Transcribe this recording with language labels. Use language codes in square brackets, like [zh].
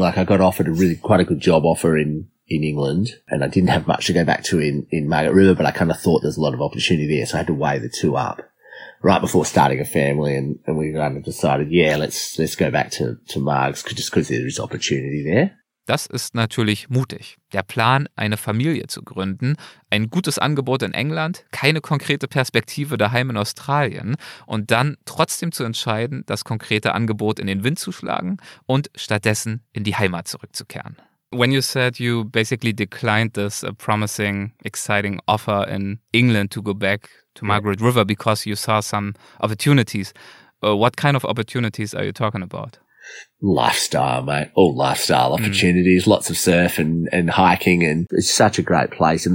[en] Like, I got offered quite a good job offer in England, and I didn't have much to go back to in Margaret River, but I kind of thought there's a lot of opportunity there. So I had to weigh the two up right before starting a family. And we kind of decided, let's go back to Margs just because there is opportunity there. [de] Das ist natürlich mutig. Der Plan, eine Familie zu gründen, ein gutes Angebot in England, keine konkrete Perspektive daheim in Australien und dann trotzdem zu entscheiden, das konkrete Angebot in den Wind zu schlagen und stattdessen in die Heimat zurückzukehren. [en] When you said you basically declined this promising, exciting offer in England to go back to Margaret River because you saw some opportunities, what kind of opportunities are you talking about? Lifestyle, mate. All lifestyle opportunities. Mm. Lots of surf and hiking, and it's such a great place.